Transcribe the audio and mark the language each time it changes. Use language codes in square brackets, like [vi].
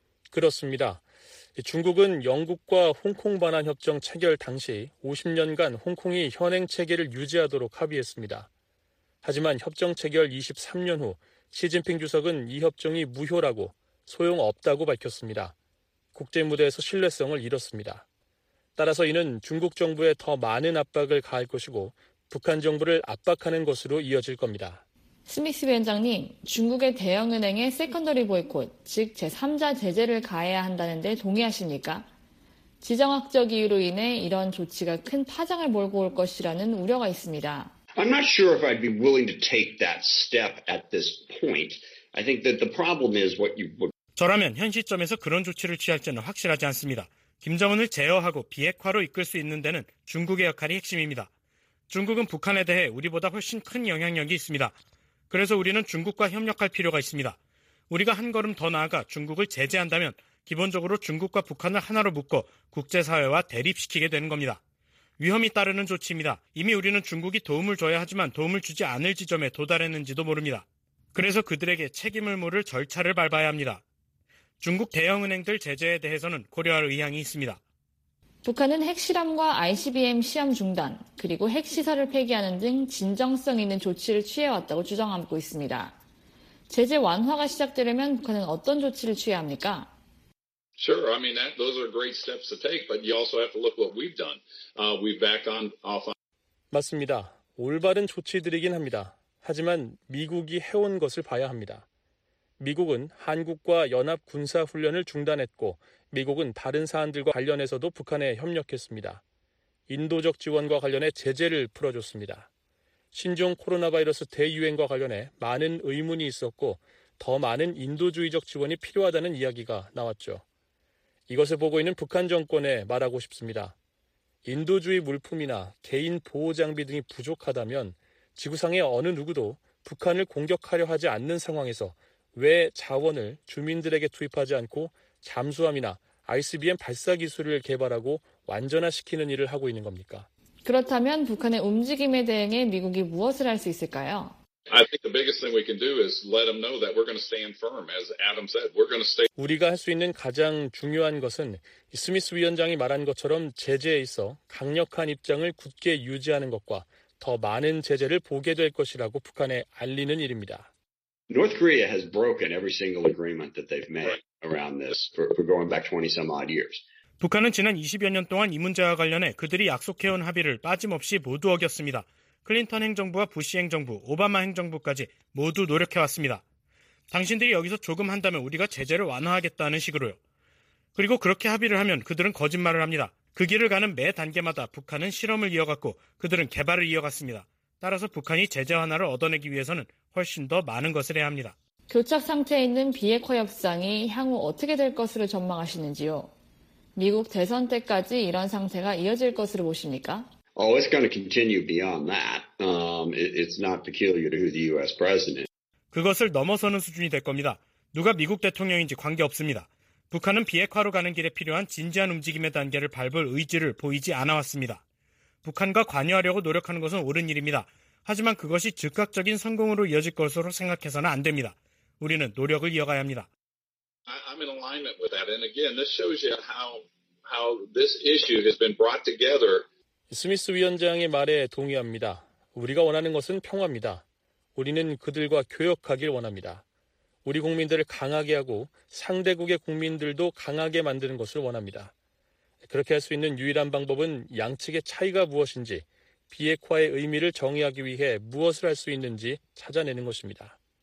[ko] 그렇습니다. 중국은 영국과 홍콩 반환 협정 체결 당시 50년간 홍콩이 현행 체계를 유지하도록 합의했습니다. 하지만 협정 체결 23년 후 시진핑 주석은 이 협정이 무효라고 소용없다고 밝혔습니다. 국제무대에서 신뢰성을 잃었습니다. 따라서 이는 중국 정부에 더 많은 압박을 가할 것이고 북한 정부를 압박하는 것으로 이어질 겁니다. 스미스 위원장님, 중국의 대형은행의 세컨더리 보이콧, 즉 제3자 제재를 가해야 한다는 데 동의하십니까? 지정학적 이유로 인해 이런 조치가 큰 파장을 몰고 올 것이라는 우려가 있습니다. [en] I'm not sure if I'd be willing to take that step at this point. I think that the problem is what you would... [ko] 저라면 현 시점에서 그런 조치를 취할지는 확실하지 않습니다. 김정은을 제어하고 비핵화로 이끌 수 있는 데는 중국의 역할이 핵심입니다. 중국은 북한에 대해 우리보다 훨씬 큰 영향력이 있습니다. 그래서 우리는 중국과 협력할 필요가 있습니다. 우리가 한 걸음 더 나아가 중국을 제재한다면 기본적으로 중국과 북한을 하나로 묶어 국제사회와 대립시키게 되는 겁니다. 위험이 따르는 조치입니다. 이미 우리는 중국이 도움을 줘야 하지만 도움을 주지 않을 지점에 도달했는지도 모릅니다. 그래서 그들에게 책임을 물을 절차를 밟아야 합니다. 중국 대형은행들 제재에 대해서는 고려할 의향이 있습니다. 북한은 핵실험과 ICBM 시험 중단, 그리고 핵시설을 폐기하는 등 진정성 있는 조치를 취해왔다고 주장하고 있습니다. 제재 완화가 시작되려면 북한은 어떤 조치를 취해야 합니까? [en] Sure, I mean that, those are great steps to take, but you also have to look what we've done. We've backed on, off on... [ko] 맞습니다. 올바른 조치들이긴 합니다. 하지만 미국이 해온 것을 봐야 합니다. 미국은 한국과 연합군사훈련을 중단했고 미국은 다른 사안들과 관련해서도 북한에 협력했습니다. 인도적 지원과 관련해 제재를 풀어줬습니다. 신종 코로나 바이러스 대유행과 관련해 많은 의문이 있었고 더 많은 인도주의적 지원이 필요하다는 이야기가 나왔죠. 이것을 보고 있는 북한 정권에 말하고 싶습니다. 인도주의 물품이나 개인 보호 장비 등이 부족하다면 지구상의 어느 누구도 북한을 공격하려 하지 않는 상황에서 왜 자원을 주민들에게 투입하지 않고 잠수함이나 ICBM 발사 기술을 개발하고 완전화시키는 일을 하고 있는 겁니까? 그렇다면 북한의 움직임에 대응해 미국이 무엇을 할 수 있을까요? [en] I think the biggest thing we can do is let them know that we're going to stand firm. As Adam said, we're going to stay. [ko] 우리가 할 수 있는 가장 중요한 것은 스미스 위원장이 말한 것처럼 제재에 있어 강력한 입장을 굳게 유지하는 것과 더 많은 제재를 보게 될 것이라고 북한에 알리는 일입니다. [en] North Korea has broken every single agreement that they've made. Around this, for going back 20 some odd years. [ko] 북한은 지난 20여 년 동안 이 문제와 관련해 그들이 약속해온 합의를 빠짐없이 모두 어겼습니다. 클린턴 행정부와 부시 행정부, 오바마 행정부까지 모두 노력해왔습니다. 당신들이 여기서 조금 한다면 우리가 제재를 완화하겠다는 식으로요. 그리고 그렇게 합의를 하면 그들은 거짓말을 합니다. 그 길을 가는 매 단계마다 북한은 실험을 이어갔고 그들은 개발을 이어갔습니다. 따라서 북한이 제재 하나를 얻어내기 위해서는 훨씬 더 많은 것을 해야 합니다. 교착 상태에 있는 비핵화 협상이 향후 어떻게 될 것으로 전망하시는지요? 미국 대선 때까지 이런 상태가 이어질 것으로 보십니까? [en] Oh, it's going to continue beyond that. It's not peculiar to who the U.S. president. [ko] 그것을 넘어서는 수준이 될 겁니다. 누가 미국 대통령인지 관계없습니다. 북한은 비핵화로 가는 길에 필요한 진지한 움직임의 단계를 밟을 의지를 보이지 않아왔습니다. 북한과 관여하려고 노력하는 것은 옳은 일입니다. 하지만 그것이 즉각적인 성공으로 이어질 것으로 생각해서는 안 됩니다. 우리는 노력을 이어가야 합니다. [en] I'm in alignment with that. And again, this shows you how this issue has been brought together. [ko] 스미스 위원장의 말에 동의합니다. 우리가 원하는 것은 평화입니다. 우리는 그들과 교역하길 원합니다. 우리 국민들을 강하게 하고 상대국의 국민들도 강하게 만드는 것을 원합니다. 그렇게 할 수 있는 유일한 방법은 양측의 차이가 무엇인지, 비핵화의 의미를 정의하기 위해 무엇을 할 수 있는지 찾아내는 것입니다.